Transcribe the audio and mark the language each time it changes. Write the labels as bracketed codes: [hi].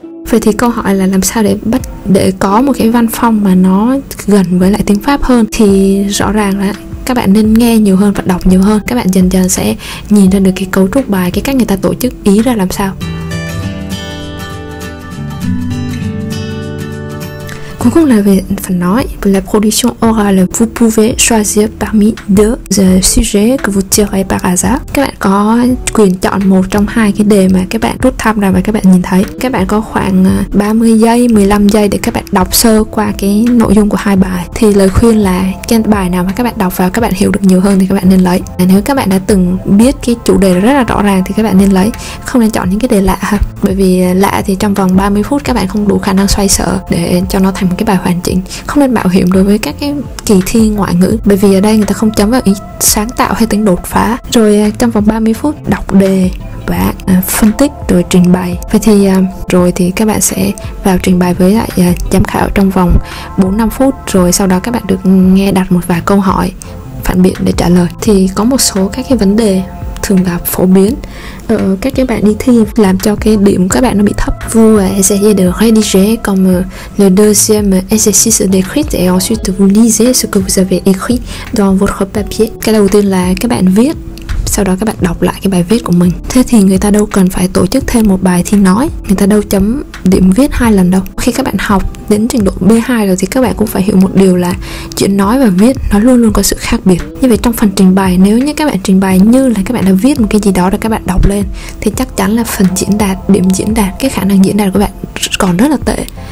[vi] Vậy thì câu hỏi là làm sao để có một cái văn phong mà nó gần với lại tiếng Pháp hơn, thì rõ ràng là các bạn nên nghe nhiều hơn và đọc nhiều hơn. Các bạn dần dần sẽ nhìn ra được cái cấu trúc bài, cái cách người ta tổ chức ý ra làm sao. Cuối cùng là về phần nói, [fr] la production orale, vous pouvez choisir parmi deux sujets que vous tirez par hasard. [vi] Các bạn có quyền chọn một trong hai cái đề mà các bạn rút thăm ra và các bạn nhìn thấy. Các bạn có khoảng 30 giây, 15 giây để các bạn đọc sơ qua cái nội dung của hai bài. Thì lời khuyên là trên bài nào mà các bạn đọc vào các bạn hiểu được nhiều hơn thì các bạn nên lấy. Nếu các bạn đã từng biết cái chủ đề rất là rõ ràng thì các bạn nên lấy, không nên chọn những cái đề lạ ha. Bởi vì lạ thì trong vòng 30 phút các bạn không đủ khả năng xoay sở để cho nó thành cái bài hoàn chỉnh. Không nên mạo hiểm đối với các cái kỳ thi ngoại ngữ, bởi vì ở đây người ta không chấm vào ý sáng tạo hay tính đột phá. Rồi trong vòng 30 phút đọc đề và phân tích rồi trình bày. Vậy thì rồi thì các bạn sẽ vào trình bày với lại giám khảo trong vòng 4-5 phút, rồi sau đó các bạn được nghe đặt một vài câu hỏi phản biện để trả lời. Thì có một số các cái vấn đề thường gặp phổ biến ở các cái bạn đi thi làm cho cái điểm của các bạn nó bị thấp. [fr] Vous essayez de rédiger comme le deuxième exercice d'écrit et ensuite vous lisez ce que vous avez écrit dans votre papier. [vi] Cái đầu tiên là các bạn viết, sau đó các bạn đọc lại cái bài viết của mình. Thế thì người ta đâu cần phải tổ chức thêm một bài thi nói, người ta đâu chấm điểm viết hai lần đâu. Khi các bạn học đến trình độ B2 rồi thì các bạn cũng phải hiểu một điều là chuyện nói và viết nó luôn luôn có sự khác biệt. Như vậy trong phần trình bày, nếu như các bạn trình bày như là các bạn đã viết một cái gì đó rồi các bạn đọc lên, thì chắc chắn là phần diễn đạt, điểm diễn đạt, cái khả năng diễn đạt của các bạn còn rất là tệ.